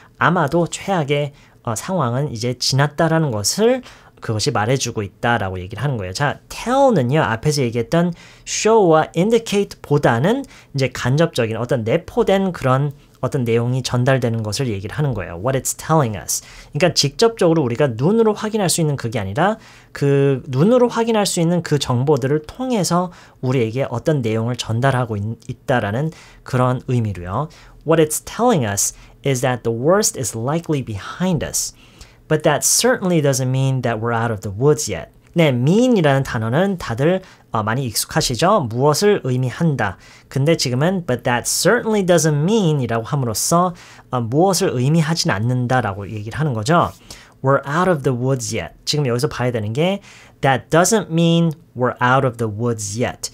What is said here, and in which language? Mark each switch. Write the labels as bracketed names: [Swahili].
[Korean] 아마도 최악의 상황은 이제 지났다 라는 것을 그것이 말해주고 있다 라고 얘기를 하는 거예요. 자, tell는요 앞에서 얘기했던 show와 indicate 보다는 이제 간접적인 어떤 내포된 그런 어떤 내용이 전달되는 것을 얘기를 하는 거예요. [English] What it's telling us. [Korean] 그러니까 직접적으로 우리가 눈으로 확인할 수 있는 그게 아니라 그 눈으로 확인할 수 있는 그 정보들을 통해서 우리에게 어떤 내용을 전달하고 있다라는 그런 의미로요. [English] What it's telling us is that the worst is likely behind us. But that certainly doesn't mean that we're out of the woods yet. [Korean] 네, mean이라는 단어는 다들 많이 익숙하시죠? 무엇을 의미한다. 근데 지금은 [English] but that certainly doesn't mean [Korean] 이라고 함으로써 무엇을 의미하진 않는다 라고 얘기를 하는 거죠. [English] We're out of the woods yet. [Korean] 지금 여기서 봐야 되는 게 [English] that doesn't mean we're out of the woods yet.